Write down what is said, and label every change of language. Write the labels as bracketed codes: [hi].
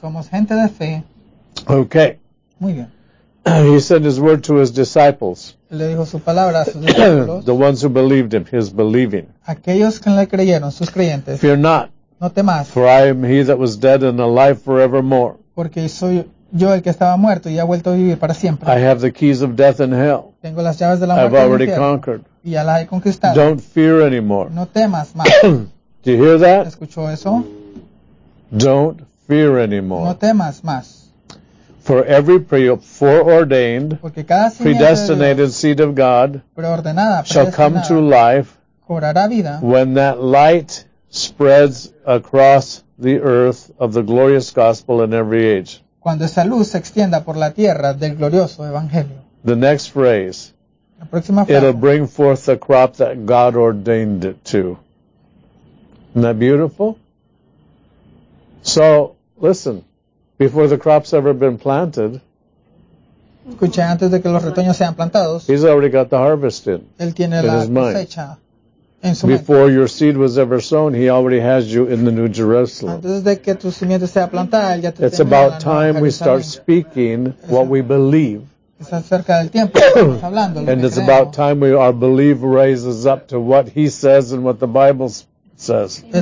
[es] Somos gente de fe. [en] Okay. [es] Muy bien. [en] He sent his word to his disciples. [es] Le dijo su palabra a sus discípulos. [en] The ones who believed him, his believing. [es] Aquellos que le creyeron, sus creyentes. [en] Fear not. [es] No temas. [en] For I am he that was dead and alive forevermore. [es] Porque soy yo el que estaba muerto y ha vuelto a vivir para siempre. [en] I have the keys of death and hell. [es] Tengo las llaves de la muerte. [en] I've already conquered. [es] Y ya las he conquistado. [en] Don't fear anymore. [es] No temas más. [en] Do you hear that? [es] ¿Escuchó eso? [en] Don't fear anymore. [es] No temas más. [en] For every foreordained, [es] porque cada señal [en] predestinated [es] de Dios, [en] seed of God [es] preordenada, [en] shall come to life [es] cobrará vida, [en] when that light spreads across the earth of the glorious gospel in every age. [es] Cuando esa luz se extienda por la tierra del glorioso evangelio. [en] The next phrase. [es] La próxima frase. [en] It'll bring forth the crop that God ordained it to. Isn't that beautiful? So, listen. Before the crop's ever been planted. [es] Escucha, antes de que los retoños sean plantados. [en] He's already got the harvest in. [es] Él tiene la cosecha. [en] Before your seed was ever sown, he already has you in the New Jerusalem. It's about time we start speaking what we believe. And it's about time we, our belief raises up to what he says and what the Bible says.